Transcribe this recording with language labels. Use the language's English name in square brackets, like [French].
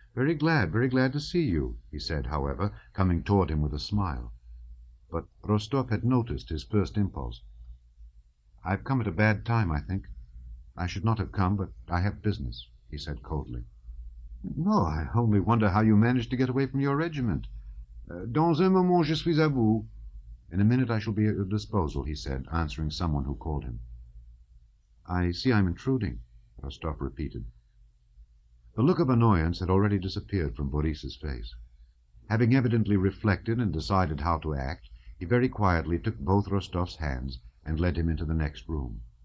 [English] Very glad to see you," he said, however, coming toward him with a smile. But Rostov had noticed his first impulse. "I've come at a bad time, I think. I should not have come, but I have business," he said coldly. "No, I only wonder how you managed to get away from your regiment. [French] Dans un moment, je suis à vous." [English] "In a minute I shall be at your disposal," he said, answering someone who called him. "I see I'm intruding," Rostov repeated. The look of annoyance had already disappeared from Boris's face. Having evidently reflected and decided how to act, he very quietly took both Rostov's hands and led him into the next room.